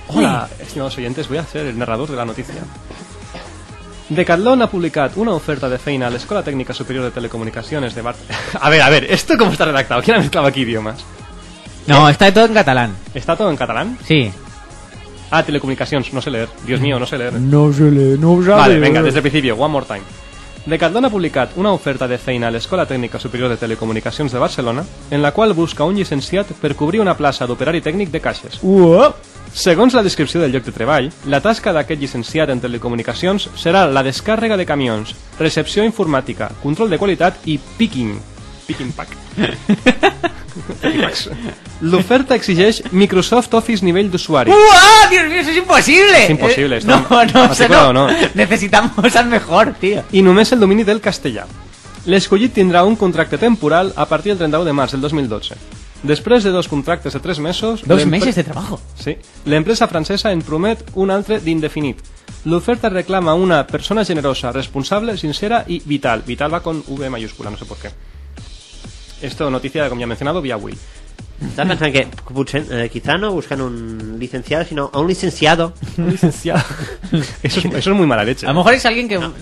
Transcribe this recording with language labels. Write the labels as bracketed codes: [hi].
[es] Hola, estimados oyentes, voy a ser el narrador de la noticia. Decathlon ha publicado una [ca] oferta de feina [es] a la Escuela Técnica Superior de Telecomunicaciones de Barcelona. A ver, ¿esto cómo está redactado? ¿Quién ha mezclado aquí idiomas? No, ¿qué? Está todo en catalán. ¿Está todo en catalán? Sí. Ah, telecomunicaciones, no sé leer. Dios mío, no sé leer. No sé leer, no sabe. Vale, venga, desde el principio, [en] one more time. [ca] Decathlon ha publicat una oferta de feina a l'Escola Tècnica Superior de Telecomunicacions de Barcelona, en la qual busca un llicenciat per cobrir una plaça d'operari tècnic de caixes. Segons la descripció del lloc de treball, la tasca d'aquest llicenciat en telecomunicacions serà la descàrrega de camions, recepció informàtica, control de qualitat i picking pack. L'oferta exigeix Microsoft Office nivell d'usuari. ¡Uah! [es] ¡Dios mío! ¡Eso es imposible! Es imposible, está. No. Necesitamos al mejor, tío. [ca] I només el domini del castellà. L'escollit tindrà un contracte temporal a partir del 31 de març del 2012. Després de dos contractes de 3 mesos... [es] ¿2 meses de trabajo? Sí. [ca] L'empresa francesa en promet un altre d'indefinit. L'oferta reclama una persona generosa, responsable, sincera i vital. [es] Vital va con V mayúscula, no sé por qué. Esto, noticia, como ya he mencionado, vía Will. Estaba pensando que quizá no buscan un licenciado, sino a un licenciado. Un licenciado. Eso es muy mala leche. A lo mejor es alguien que... No,